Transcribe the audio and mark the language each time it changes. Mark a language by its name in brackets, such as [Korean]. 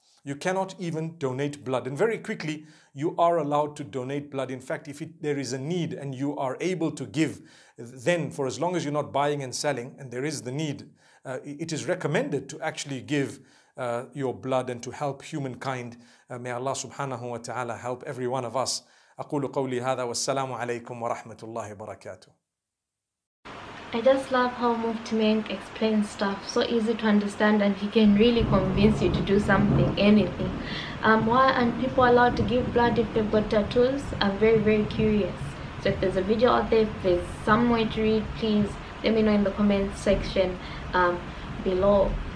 [English] You cannot even donate blood. And very quickly, you are allowed to donate blood. In fact, if there is a need and you are able to give, then for as long as you're not buying and selling and there is the need, it is recommended to actually give your blood and to help humankind. May Allah subhanahu wa ta'ala help every one of us. [Arabic] أقول قولي هذا والسلام عليكم ورحمة الله وبركاته. [English] I just love how Mufti Menk explains stuff so easy to understand, and he can really convince you to do something, anything. Why aren't people allowed to give blood if they've got tattoos? I'm very, very curious. So if there's a video out there, if there's somewhere to read, please let me know in the comments section below.